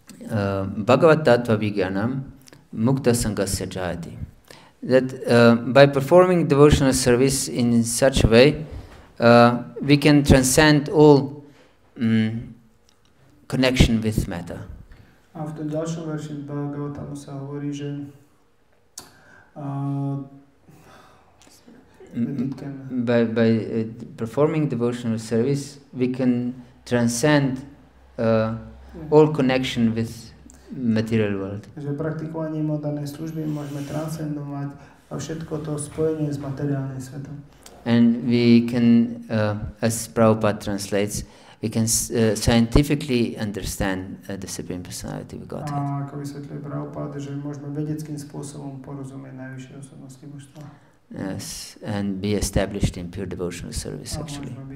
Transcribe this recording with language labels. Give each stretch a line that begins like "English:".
Sanskrit: Bhagavata-dharma-dasa, mukta-sangasya jayati.
English: That by performing devotional service in such a way, we can transcend all connection with matter.
Slovak: A v tom ďalšom verši Bhagavatamu sa hovorí, že
English: by performing devotional service, we can transcend all connection with material world.
Slovak: Že praktikovaním oddanej služby môžeme transcendovať všetko to spojenie s materiálnym svetom.
English: And we can, as Prabhupada translates, we can scientifically understand the Supreme Personality of Godhead.
Slovak: A ako vysvetľuje Prabhupada, že môžeme vedeckým spôsobom porozumieť najvyššie osobnosti božstva.
English: Yes, and be established in pure devotional service, actually.